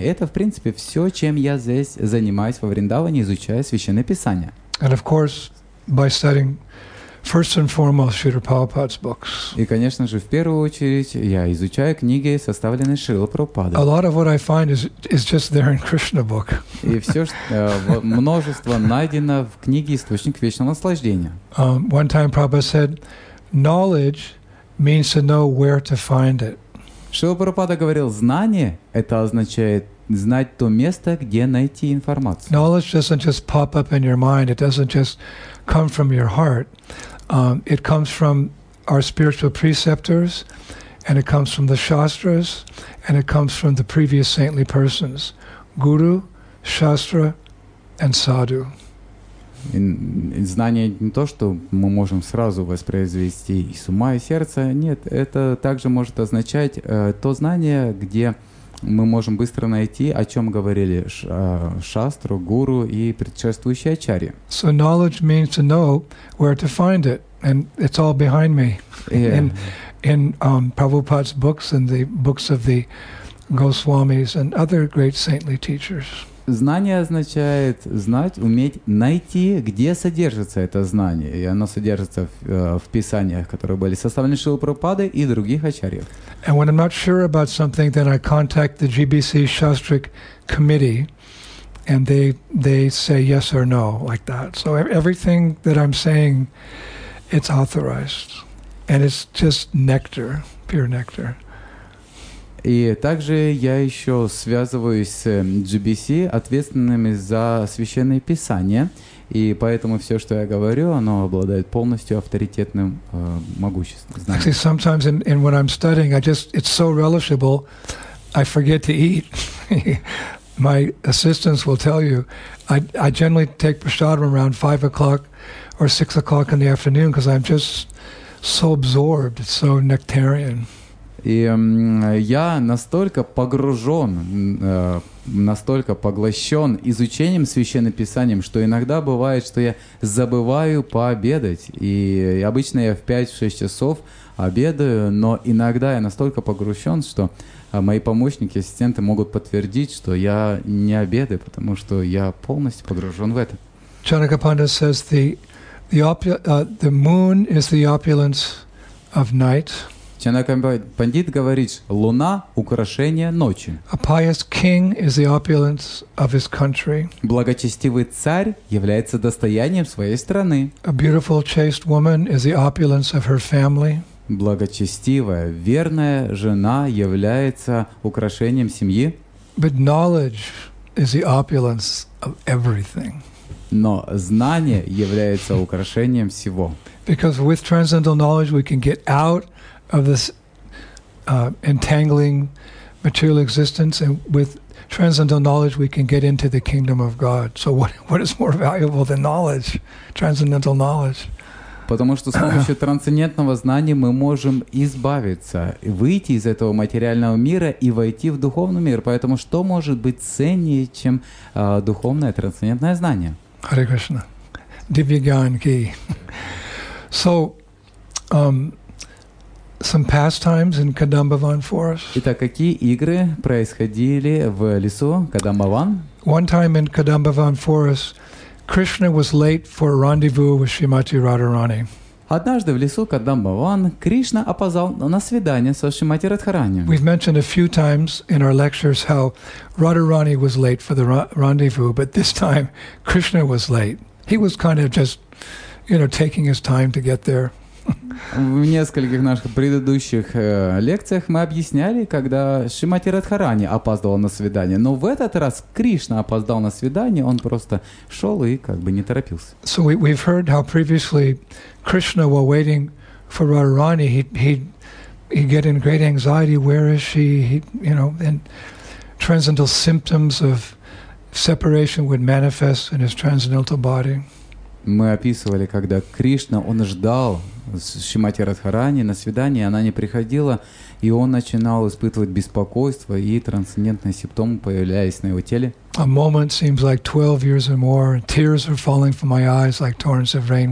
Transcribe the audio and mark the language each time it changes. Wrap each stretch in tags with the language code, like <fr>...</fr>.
<ru>Это, в принципе, все, чем я здесь занимаюсь во Вриндаване, изучая Священное Писание.</ru> <en>And of course, by studying first and foremost, Srila Prabhupada's books.</en> <ru>И, конечно же, в первую очередь я изучаю книги, составленные Шрилой Прабхупадой.</ru> <en>A lot of what I find is just there in Krishna book.</en> <ru>И все множество найдено в книге «Источник вечного наслаждения».</ru> <en>One time Prabhupada said, "Knowledge means to know where to find it."</en> <ru>Шрила Прабхупада говорил, знание это означает знать то место, где найти информацию.</ru> <en>Knowledge doesn't just pop up in your mind. It doesn't just come from your heart. It comes from our spiritual preceptors, and it comes from the shastras, and it comes from the previous saintly persons, guru, shastra, and sadhu.</en> <ru>Знание не то, что мы можем сразу воспроизвести из ума и сердца. Нет, это также может означать то знание, где мы можем быстро найти, о чем говорили шастру, гуру и предшествующие ачарьи.</ru> <en>So knowledge means to know where to find it, and it's all behind me. Yeah. In Prabhupada's books and the books of the Goswamis and other great saintly teachers.</en> <ru>Знание означает знать, уметь найти, где содержится это знание. И оно содержится в писаниях, которые были составлены Шрилой Прабхупадой и других ачарьев.</ru> <en>And when I'm not sure about something, then I contact the GBC Shastric Committee and they say yes or no like that. So everything that I'm saying, it's authorized, and it's just nectar, pure nectar.</en> <ru>И также я еще связываюсь с GBC, ответственными за священное писание, и поэтому все, что я говорю, оно обладает полностью авторитетным могуществом.</ru> <en>Actually, sometimes in when I'm studying, I just it's so relishable, I forget to eat. My assistants will tell you, I generally take prasadam around 5 o'clock or 6 o'clock in the afternoon because I'm just so absorbed, so nectarian.</en> <ru>И я настолько погружен, настолько поглощен изучением Священного Писания, что иногда бывает, что я забываю пообедать. И обычно я в 5-6 часов обедаю, но иногда я настолько погружен, что мои помощники, ассистенты могут подтвердить, что я не обедаю, потому что я полностью погружен в это.</ru> <en>Чанака Панда says the moon is the opulence of night.</en> <ru>Чанака Пандит говорит, луна — украшение ночи.</ru> <en>A pious king is the opulence of his country.</en> <ru>Благочестивый царь является достоянием своей страны.</ru> <en>A beautiful, chaste woman is the opulence of her family.</en> <ru>Благочестивая, верная жена является украшением семьи.</ru> <en>But knowledge is the opulence of everything.</en> <ru>Но знание является украшением всего.</ru> <en>Because with transcendental knowledge we can get out of this entangling material existence, and with transcendental knowledge we can get into the kingdom of God. So what is more valuable than knowledge, transcendental knowledge?</en> <ru>Потому что с помощью трансцендентного знания мы можем избавиться, выйти из этого материального мира и войти в духовный мир. Поэтому что может быть ценнее, чем духовное трансцендентное знание?</ru> <en>Hare Krishna. Divya Gyan Ki. So, some pastimes in Kadambavan forest.</en> <ru>Итак, какие игры происходили в лесу Кадамбаван?</ru> <en>One time in Kadambavan forest, Krishna was late for a rendezvous with Shrimati Radharani.</en> <ru>Однажды в лесу Кадамбаван Кришна опоздал на свидание со Шримати Радхарани.</ru> <en>We've mentioned a few times in our lectures how Radharani was late for the rendezvous, but this time Krishna was late. He was kind of just, you know, taking his time to get there.</en> <ru>В нескольких наших предыдущих лекциях мы объясняли, когда Шримати Радхарани опаздывал на свидание. Но в этот раз Кришна опоздал на свидание, он просто шел и как бы не торопился.</ru> <en>So we've heard how previously Krishna, while waiting for Radharani, he'd get in great anxiety, where is she? And transcendental symptoms of separation would manifest in his transcendental body.</en> <ru>Мы описывали, когда Кришна, он ждал Шримати Радхарани на свидание, она не приходила, и он начинал испытывать беспокойство, и трансцендентные симптомы появлялись на его теле.</ru> <en>A moment seems like 12 years or more, tears are falling from my eyes like torrents of rain.</en>